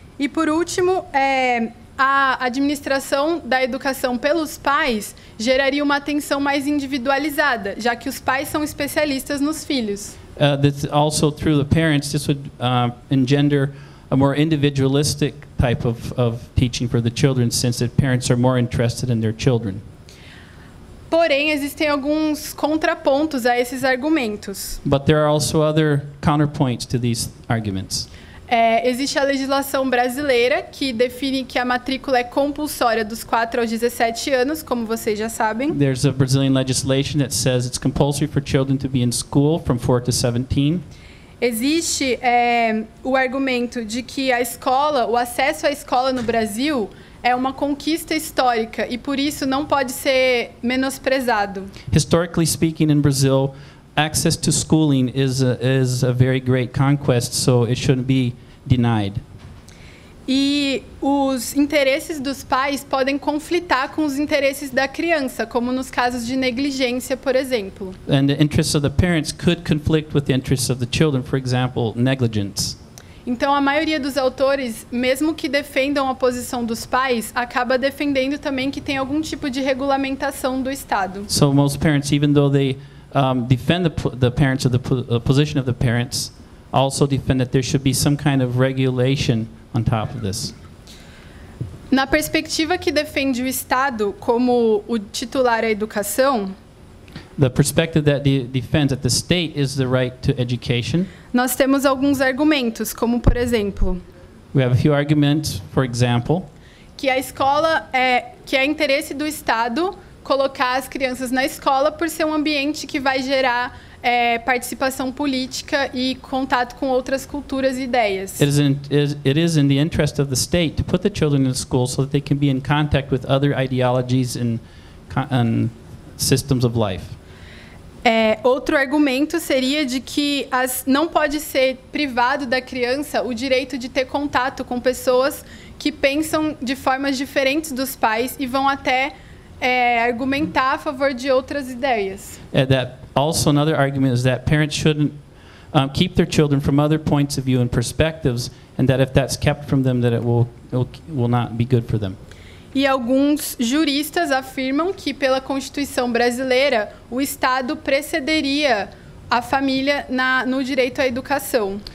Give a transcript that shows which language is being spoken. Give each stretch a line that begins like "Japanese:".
Portuguese: E por último, a administração da educação pelos pais geraria uma atenção mais individualizada, já que os pais são especialistas nos filhos.
English: This also through the parents, this would engender a more individualistic type of teaching for the children, since the parents are more interested in their children.
Portuguese: Porém, existem alguns contrapontos a esses argumentos.
English: But there are also other counterpoints to these arguments.
Portuguese: Existe a legislação brasileira que define que a matrícula é compulsória dos 4 aos 17 anos, como vocês já sabem.
English: There's a Brazilian legislation that says it's compulsory for children to be in school from 4 to 17.
Portuguese: Existe o argumento de que a escola, o acesso à escola no Brasil é uma conquista histórica e por isso não pode ser menosprezado.
English: Historically speaking, in Brazil, access to schooling is a very great conquest, so it shouldn't be denied.
Portuguese: E os interesses dos pais podem conflitar com os interesses da criança, como nos casos de negligência, por exemplo.
English: And the interests of the parents could conflict with the interests of the children, for example, negligence.
Portuguese: Então, a maioria dos autores, mesmo que defendam a posição dos pais, acaba defendendo também que tem algum tipo de regulamentação do Estado.
English: So, most parents, even though they defend the parents of the position of the parents, also defend that there should be some kind of regulation on top of this.
Portuguese: Na perspectiva que defende o Estado como o titular da educação,
English: the perspective that defends that the state is the right to education,
Portuguese: nós temos alguns argumentos, como por exemplo,
English: we have a few arguments, for example,
Portuguese: que a escola que é interesse do Estado colocar as crianças na escola por ser um ambiente que vai gerar participação política e contato com outras culturas e ideias.
English: It is in the interest of the state to put the children in school so that they can be in contact with other ideologies and systems of life.
Portuguese: Outro argumento seria de que não pode ser privado da criança o direito de ter contato com pessoas que pensam de formas diferentes dos pais e vão até argumentar a favor de outras ideias.
English: That also another argument is that parents shouldn't keep their children from other points of view and perspectives, and that if that's kept from them, that it will not be good for them.
Portuguese: E alguns juristas afirmam que pela Constituição brasileira o Estado precederia a família no direito à educação.